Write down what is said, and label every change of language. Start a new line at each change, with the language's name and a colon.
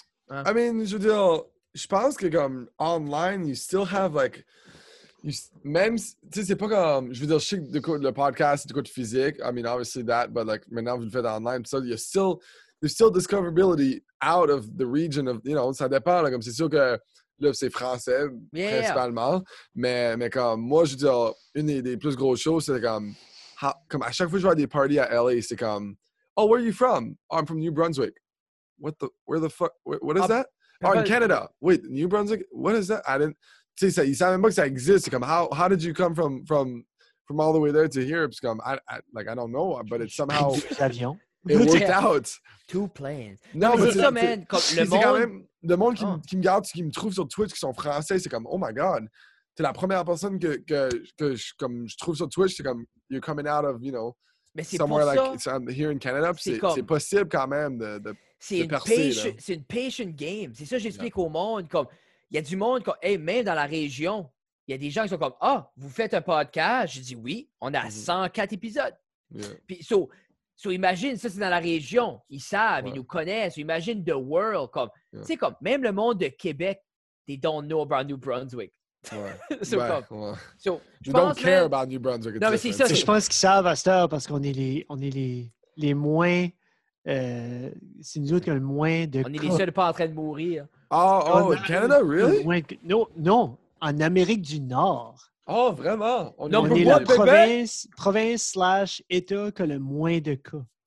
English: I mean,
French: je veux dire. Je pense que comme online,
English: you still have like, you,
French: même, tu sais, c'est pas comme, je veux dire, je sais que du coup, le podcast, c'est du coup de physique,
English: I mean, obviously that, but like,
French: maintenant, vous le faites online,
English: so you're still discoverability out of the region of, you know,
French: ça dépend, là, comme c'est sûr que, là, c'est français, yeah, principalement, mais comme, moi, je veux dire, une des plus grosses choses, c'est comme, comme à chaque fois que je vois des parties à LA, c'est comme,
English: oh, where are you from? Oh, I'm from New Brunswick. What is that? Oh, in Canada. Wait, New Brunswick? What is that? I didn't...
French: Tu sais, ça, ils savent même pas que ça existe.
English: Comme, how did you come from all the way there to here? It's comme, I don't know, but it's somehow...
French: L'avion.
English: It worked out. Two planes.
French: Non, mais c'est... Ça, man, comme le monde... Quand même, le monde qui me garde, qui me trouve sur Twitch, qui sont français, c'est comme,
English: oh my God.
French: T'es la première personne que je, comme, je trouve sur Twitch, c'est comme,
English: you're coming out of, you know,
French: mais c'est
English: somewhere like
French: ça,
English: it's here in Canada.
French: C'est, comme... c'est possible quand même de... C'est une, percée, patient, c'est une patient game. C'est ça que j'explique au monde. Comme il y a du monde, comme, hey, même dans la région, il y a des gens qui sont comme, ah, vous faites un podcast? Je dis, oui, on a 104 épisodes.
English: Yeah.
French: Puis, so imagine, ça, c'est dans la région. Ils savent, ils nous connaissent.
English: Imagine the world.
French: Comme, tu sais, comme même le monde de Québec,
English: they don't know about New Brunswick.
French: Ouais.
English: So,
French: ouais, comme, ouais.
English: So, they don't care about New Brunswick.
French: Non, mais c'est ça, je pense qu'ils savent à cette heure parce qu'on est les moins... c'est nous autres qui ont le moins de... On est les seuls pas en train de mourir.
English: Oh, in Canada, really?
French: Non, en Amérique du Nord. Oh, vraiment? On est la province slash État qui a le moins de cas.